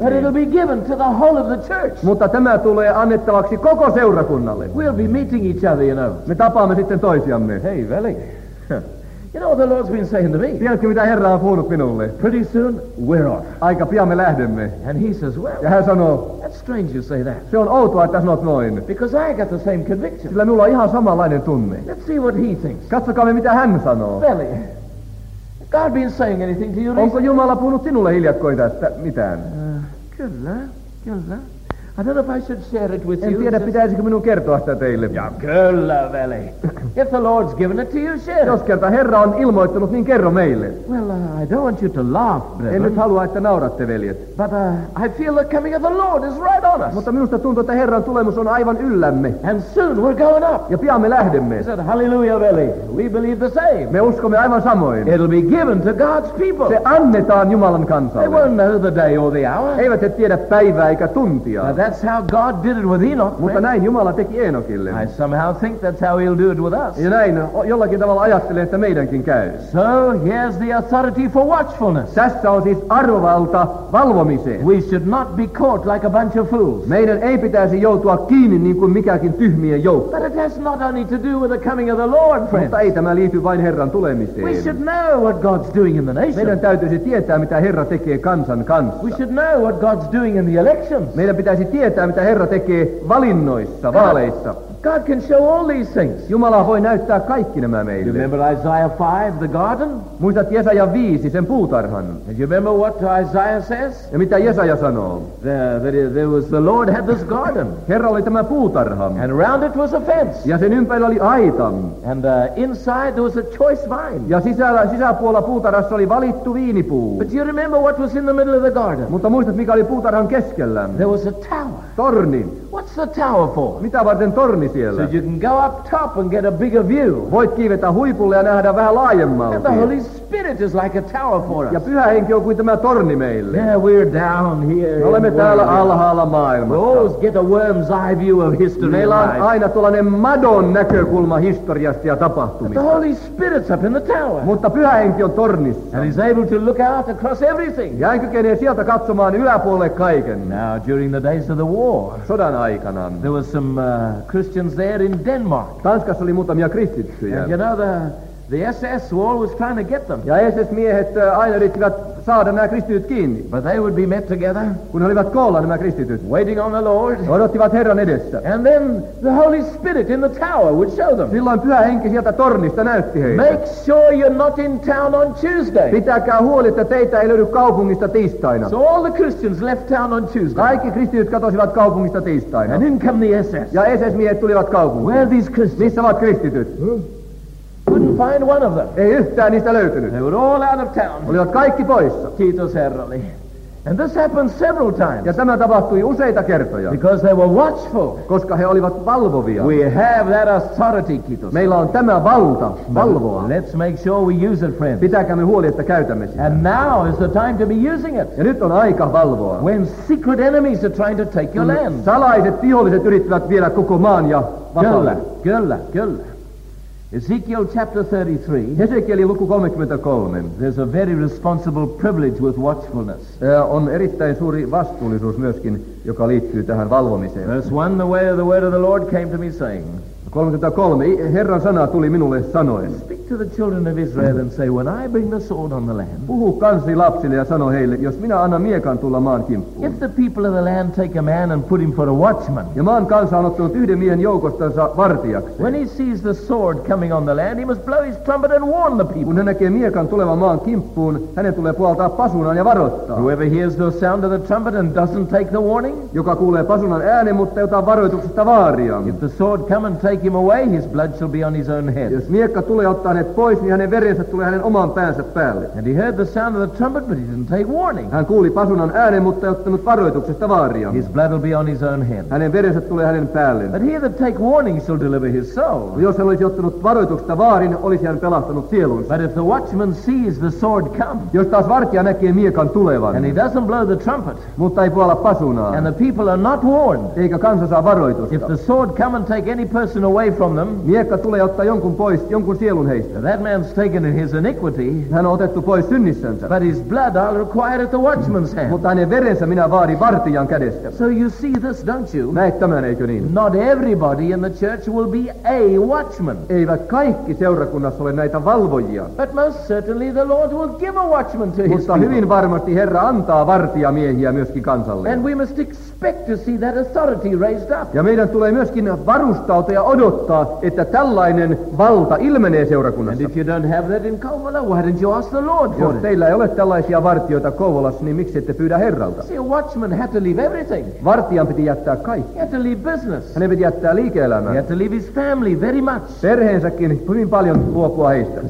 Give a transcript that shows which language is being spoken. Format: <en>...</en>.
<en>But it'll be given to the whole of the church.</en> <fi>Mutta tämä tulee annettavaksi koko seurakunnalle.</fi> <en>We'll be meeting each other, you know.</en> <fi>Me tapaamme sitten toisiamme.</fi> <en>Hey, Veli. You know what the Lord's been saying to me?</en> <fi>Tiedätkö, mitä Herra on puhunut minulle?</fi> <en>Pretty soon, we're off.</en> <fi>Aika pian me lähdemme.</fi> <en>And he says, well.</en> <fi>Ja hän sanoo.</fi> <en>That's strange you say that.</en> <fi>Se on outoa, että sanot noin.</fi> <en>Because I got the same conviction.</en> <fi>Sillä minulla on ihan samanlainen tunne.</fi> <en>Let's see what he thinks.</en> <fi>Katsokaa me, mitä hän sanoo.</fi> <en>Veli, God been saying anything to you recently?</en> <fi>Onko Jumala puhunut sinulle hiljakkoin tästä mitään? Kyllä, kyllä.</fi> <en>I don't know if I should share it with</en> <fi>en</fi> <en>you.</en> <fi>En tiedä, pitäisikö minun kertoa sitä teille. Ja kyllä,</fi> <en>Veli. If the Lord's given it to you, share.</en> <fi>Jos kerta Herra on ilmoittanut, niin kerro meille.</fi> <en>Well, I don't want you to laugh, brethren.</en> <fi>En nyt halua, että nauratte, veljet.</fi> <en>But I feel the coming of the Lord is right on us.</en> <fi>Mutta minusta tuntuu, että Herran tulemus on aivan yllämme.</fi> <en>And soon we're going up.</en> <fi>Ja pian me lähdemme.</fi> <en>Said, hallelujah, Veli. We believe the same.</en> <fi>Me uskomme aivan samoin.</fi> <en>It'll be given to God's people.</en> <fi>Se annetaan Jumalan kansalle.</fi> <en>They won't know the day or the hour.</en> <fi>Eivät he tiedä päivää eikä tuntia.</fi> <en>That's how God did it with Enoch.</en> <fi>Mutta näin Jumala teki Enokille.</fi> <en>I somehow think that's how he'll do it with us.</en> <fi>Ja näin jollakin tavalla ajattelen, että meidänkin käy.</fi> <en>So here's the authority for watchfulness.</en> <fi>Tässä on siis arvovalta valvomiseen.</fi> <en>We should not be caught like a bunch of fools.</en> <fi>Meidän ei pitäisi joutua kiinni niin kuin mikäkin tyhmien joukko.</fi> <en>But it has not only to do with the coming of the Lord, friends.</en> <fi>Mutta ei tämä liity vain Herran tulemiseen.</fi> <en>We should know what God's doing in the nation.</en> <fi>Meidän täytyisi tietää, mitä Herra tekee kansan kanssa.</fi> <en>We should know what God's doing in the elections.</en> <fi>Meidän pitäisi tietää, mitä Herra tekee valinnoissa, vaaleissa.</fi> <en>God can show all these things.</en> <fi>Jumala voi näyttää kaikki nämä meille.</fi> <en>You remember Isaiah 5, the garden?</en> <fi>Muistat Jesaja 5, sen puutarhan.</fi> <en>And you remember what Isaiah says?</en> <fi>Ja mitä Jesaja sanoo?</fi> <en>There was the Lord had this garden.</en> <fi>Herra oli tämä puutarha.</fi> <en>And around it was a fence.</en> <fi>Ja sen ympärillä oli aita.</fi> <en>And inside there was a choice vine.</en> <fi>Ja sisäpuolella puutarhassa oli valittu viinipuu.</fi> <en>But you remember what was in the middle of the garden?</en> <fi>Mutta muistat, mikä oli puutarhan keskellä?</fi> <en>There was a tower.</en> <fi>Torni.</fi> <en>What's the tower for?</en> <fi>Mitä varten torni?</fi> <en>So you can go up top and get a bigger view.</en> <fi>Voit kiivetä huipulle ja nähdä vähän laajemmalti.</fi> <en>And the Holy Spirit is like a tower for us.</en> <fi>Ja Pyhä Henki on kuin tämä torni meille.</fi> <en>Yeah, we're down here.</en> <fi>Me olemme täällä alhaalla maailmassa.</fi> <en>We always get a worm's eye view of history.</en> <fi>Meillä on aina tuollainen madon näkökulma historiasta ja tapahtumista.</fi> <en>But the Holy Spirit's up in the tower.</en> <fi>Mutta Pyhä Henki on tornissa.</fi> <en>And he's able to look out across everything.</en> <fi>Ja hän kykenee sieltä katsomaan yläpuolelle kaiken.</fi> <en>Now, during the days of the war.</en> <fi>Sodan aikana.</fi> <en>There was some Christians there in Denmark.</en> <fi>Tanskassa oli muutamia kristittyjä.</fi> <en>And you know the SS were always trying to get them.</en> <fi>Ja SS-miehet aina yrittivät saada nämä kristityt kiinni.</fi> <en>But they would be met together.</en> <fi>Kun he olivat koolla nämä kristityt.</fi> <en>Waiting on the Lord.</en> <fi>Odottivat Herran edessä.</fi> <en>And then the Holy Spirit in the tower would show them.</en> <fi>Silloin Pyhä Henki sieltä tornista näytti heille.</fi> <en>Make sure you're not in town on Tuesday.</en> <fi>Pitäkää huoli, että teitä ei löydy kaupungista tiistaina.</fi> <en>So all the Christians left town on Tuesday.</en> <fi>Kaikki kristityt katosivat kaupungista tiistaina.</fi> <en>And in come the SS.</en> <fi>Ja SS-miehet tulivat kaupunkiin.</fi> <en>Where are these Christians?</en> <fi>Missä ovat kristityt?</fi> <en>Couldn't find one of them.</en> <fi>Ei yhtään niistä löytynyt.</fi> <en>They were all out of town.</en> <fi>Olivat kaikki poissa. Kiitos Herralle.</fi> <en>And this happened several times.</en> <fi>Ja tämä tapahtui useita kertoja.</fi> <en>Because they were watchful.</en> <fi>Koska he olivat valvovia.</fi> <en>We have that authority,</en> <fi>kiitos. Meillä on tämä valta valvoa.</fi> <en>Let's make sure we use it, friends.</en> <fi>Pitäkäämme huoli, että käytämme sitä.</fi> <en>And now is the time to be using it.</en> <fi>Ja nyt on aika valvoa.</fi> <en>When secret enemies are trying to take your land.</en> <fi>Salaiset viholliset yrittävät viedä koko maan ja vapaa. Kyllä, kyllä, kyllä.</fi> <en>Ezekiel chapter 33.</en> <fi>Ezekieli luku 33.</fi> <en>There's a very responsible privilege with watchfulness.</en> <fi>On erittäin suuri vastuullisuus myöskin, joka liittyy tähän valvomiseen.</fi> <en>Verse 1, the word of the Lord came to me saying.</en> <fi>33. Herran sana tuli minulle sanoen.</fi> <en>Speak to the children of Israel and say, when I bring the sword on the land.</en> <fi>Puhu kansi lapsille ja sano heille, jos minä annan miekan tulla maan kimppuun.</fi> <en>If the people of the land take a man and put him for a watchman.</en> <fi>Ja maan kansa on ottanut yhden miehen joukostansa vartijaksi.</fi> <en>When he sees the sword coming on the land, he must blow his trumpet and warn the people.</en> <fi>Kun hän näkee miekan tulevan maan kimppuun, hänen tulee puoltaa pasunan ja varoittaa.</fi> <en>Whoever hears the sound of the trumpet and doesn't take the warning.</en> <fi>Joka kuulee pasunan äänen, mutta ei ota varoituksesta vaaria.</fi> <en>If the sword come and take him away, his blood shall be on his own head.</en> <fi>Jos miekka tulee ottaa hänet pois, niin hänen verensä tulee hänen oman päänsä päälle.</fi> <en>And he heard the sound of the trumpet, but he didn't take warning.</en> <fi>Hän kuuli pasunan äänen, mutta ei ottanut varoituksesta vaaria.</fi> <en>His blood will be on his own head.</en> <fi>Hänen verensä tulee hänen päälle.</fi> <en>But he that take warning shall deliver his soul.</en> <fi>Jos hän olisi ottanut varoituksesta vaarin, olisi hän pelastanut sielunsa.</fi> <en>But if the watchman sees the sword come,</en> <fi>jos taas vartija näkee miekan tulevan,</fi> <en>and he doesn't blow the trumpet,</en> <fi>mutta ei puhalla pasunaa,</fi> <en>and the people are not warned,</en> <fi>eikä kansa saa varoitusta,</fi> <en>if the sword come and take any person away from them,</en> <fi>miekka tulee ottaa jonkun pois, jonkun sielun heistä.</fi> <en>That man's taken in his iniquity.</en> <fi>Hän on otettu pois synnissänsä.</fi> <en>But his blood I'll require at the watchman's hand.</en> <fi>Mutta hänen verensä minä vaadin vartijan kädestä.</fi> <en>So you see this, don't you?</en> <fi>Näet tämän, eikö niin?</fi> <en>Not everybody in the church will be a watchman.</en> <fi>Eivät kaikki seurakunnassa ole näitä valvojia.</fi> <en>But most certainly the Lord will give a watchman to his people.</en> <fi>Mutta hyvin varmasti Herra antaa vartijamiehiä myöskin kansalle.</fi> <en>And we must expect to see that authority raised up.</en> <fi>Ja meidän tulee myöskin varustautua ja odottaa, että tällainen valta ilmenee seurakunnassa.</fi> <en>And if you don't have that in Kouvola, why don't you ask the Lord for</en> <fi>it? Jos teillä ei ole tällaisia vartijoita Kouvolassa, niin miksi ette pyydä Herralta?</fi> <en>See, a watchman had to leave everything.</en> <fi>Vartijan piti jättää kaikki.</fi> <en>He had to leave business.</en> <fi>Hänen piti jättää liike-elämä.</fi> <en>He had to leave his family very much.</en> <fi>Perheensäkin hyvin paljon luopua heistä.</fi>